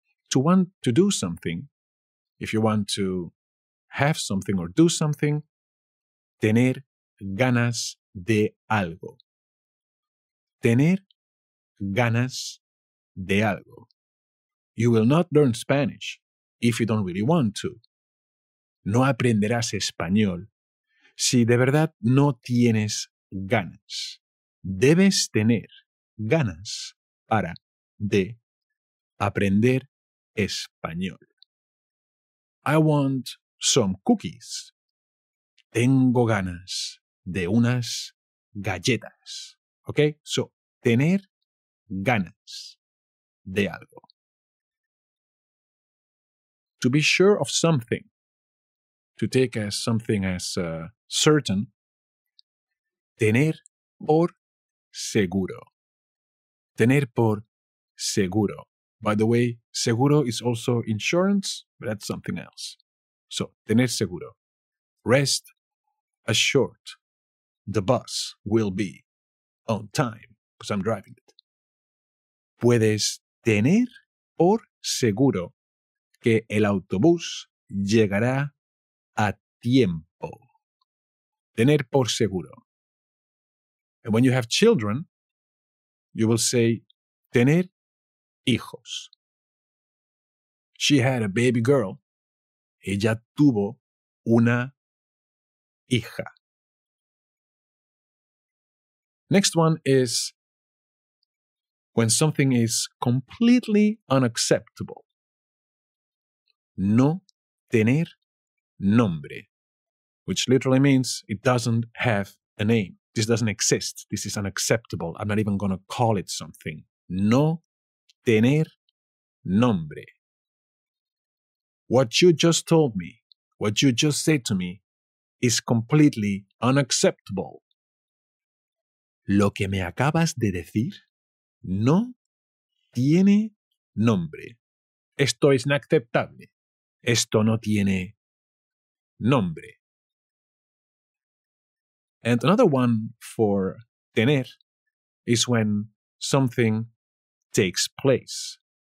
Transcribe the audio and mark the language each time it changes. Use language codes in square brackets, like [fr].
[en] To want to do something, if you want to have something or do something, [es] tener ganas de algo. Tener ganas de algo. [en] You will not learn Spanish if you don't really want to. [es] No aprenderás español si de verdad no tienes ganas. Debes tener ganas para de aprender español. [en] I want some cookies. [es] Tengo ganas de unas galletas. [en] Okay? [es] So, tener ganas de algo. [en] To be sure of something, to take as something as certain, [es] tener por seguro. Tener por seguro. [en] By the way, seguro is also insurance, but that's something else. So, [es] tener seguro. [en] Rest assured, the bus will be on time. Because I'm driving it. [es] Puedes tener por seguro que el autobús llegará a tiempo. Tener por seguro. [en] And when you have children, you will say [es] tener hijos. [en] She had a baby girl. [es] Ella tuvo una hija. [en] Next one is when something is completely unacceptable. [es] No tener nombre. [en] Which literally means it doesn't have a name. This doesn't exist. This is unacceptable. I'm not even going to call it something. [es] No tener nombre. [en] What you just told me, what you just said to me, is completely unacceptable. [es] Lo que me acabas de decir no tiene nombre. Esto es inaceptable. Esto no tiene nombre. [en] And another one for tener is when something takes place.